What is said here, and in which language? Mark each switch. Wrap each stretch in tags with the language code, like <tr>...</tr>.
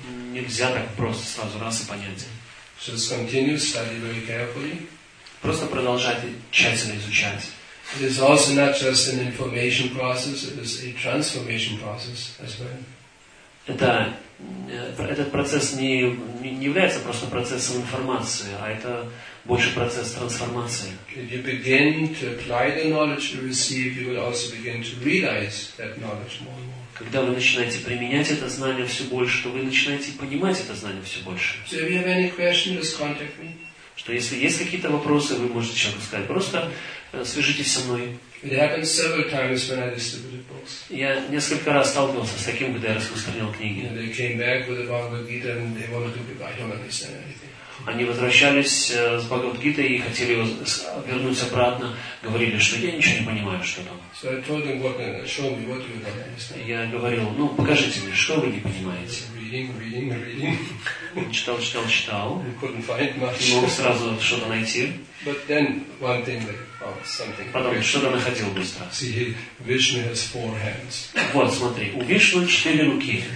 <ru>Нельзя так просто сразу раз и понять. Просто продолжайте тщательно изучать.</ru> <en>It is also not just an information process, it is a transformation process as well.</en> <ru>Это, этот процесс не является просто процессом информации, а это больше процесс трансформации.</ru> <en>If you begin to apply the knowledge you receive, you will also begin to realize that knowledge more and more.</en> <ru>Когда вы начинаете применять это знание все больше, то вы начинаете понимать это знание все больше.</ru> <en>So if you have any questions, just contact me.</en> <ru>Что если есть какие-то вопросы, вы можете человеку сказать, просто свяжитесь со мной.</ru> <en>It happened several times when I distributed books.</en> <ru>Я несколько раз сталкивался с таким, когда я распространял книги.</ru> <en>They came back with the Bhagavad Gita and they wanted to be, I don't understand anything.</en> <ru>Они возвращались с Бхагавад-гитой и хотели вернуть обратно. Говорили, что я ничего не понимаю, что там.</ru> <en>So I told them, what, show me what you don't understand.</en> <ru>Я говорил, ну, покажите мне, что вы не понимаете.</ru> <en>Reading.</en> <ru>Читал.</ru> <en>I couldn't find much.</en> <ru>Не мог сразу что-то найти.</ru> <en>But then one thing that, oh, something.</en> <ru>Потом что-то находил быстро.</ru> <en>See, Vishnu has four hands.</en> <ru>Вот, смотри, у Вишну четыре руки.</ru>